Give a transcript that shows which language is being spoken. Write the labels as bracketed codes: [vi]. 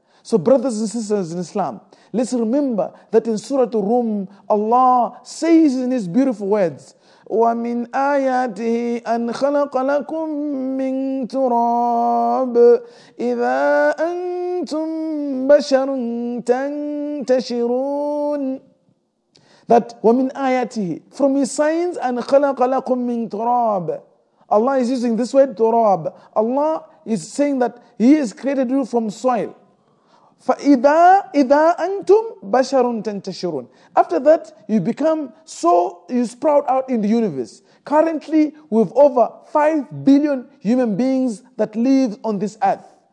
[en] So brothers and sisters in Islam, let's remember that in Surah Ar-Rum, Allah says in His beautiful words, [ar] وَمِنْ آيَاتِهِ أَنْ خَلَقَ لَكُمْ مِنْ تُرَابِ إِذَا أَنْتُمْ بَشَرٌ تَنْتَشِرُونَ. That وَمِنْ آيَاتِهِ, [en] from His signs, [ar] أَنْ خَلَقَ لَكُمْ مِنْ تُرَابِ. [en] Allah is using this word, turab. Allah is saying that He has created you from soil. [ar] فَإِذَا أَنْتُمْ بَشَرٌ تَنْتَشِرُونَ. [en] After that, you sprout out in the universe. Currently, we have over 5 billion human beings that live on this earth.